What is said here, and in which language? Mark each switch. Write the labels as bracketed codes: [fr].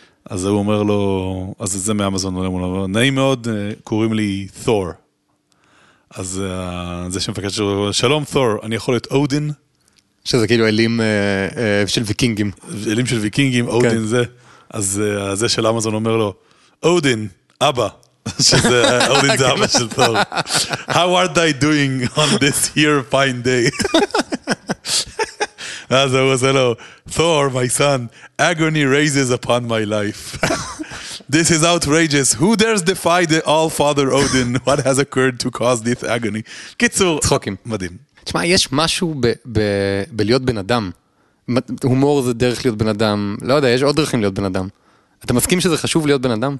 [he] אז הוא אומר לו, אז זה מאמזון עולה מולה, נעים מאוד, קוראים לי תור. אז זה שמפקד שלו, שלום תור, אני יכול להיות אודין? שזה כאילו אלים של ויקינגים. אלים של ויקינגים, אודין okay. זה. אז זה של אמזון אומר לו, אודין, אבא. שזה אודין זה אבא של תור. [en] How are they doing on this here fine day? [he] אז הוא עושה לו, [en] Thor, my son, agony raises upon my life. This is outrageous. Who dares defy the all-father Odin? What has occurred to cause this agony? [he] קיצור, צחוקים. מדהים. תשמע, יש משהו בלהיות בן אדם. הומור זה דרך להיות בן אדם. לא יודע, יש עוד דרכים להיות בן אדם. אתה מסכים שזה חשוב להיות בן אדם?